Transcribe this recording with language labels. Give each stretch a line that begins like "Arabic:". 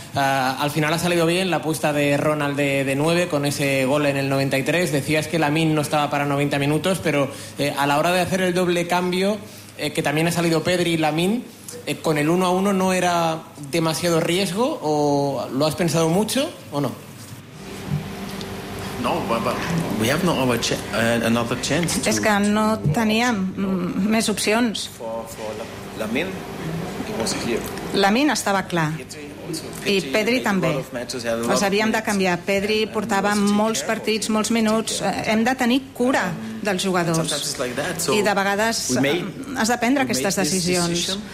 Spanish: Al final ha salido bien la apuesta de Ronald de 9 con ese gol en el 93. Decías que Lamine no estaba para 90 minutos, pero a la hora de hacer el doble cambio, que también ha salido Pedri y Lamine, con el 1-1 no era demasiado riesgo, ¿o lo has pensado mucho o no?
English: No, but we have no other another chance.
Catalan: Es que no teníem més opcions. Lamine estava clar. I Pedri també. Els havíem de canviar. Pedri portava molts partits, molts minuts. Hem de tenir cura dels jugadors. I de vegades has de prendre aquestes decisions.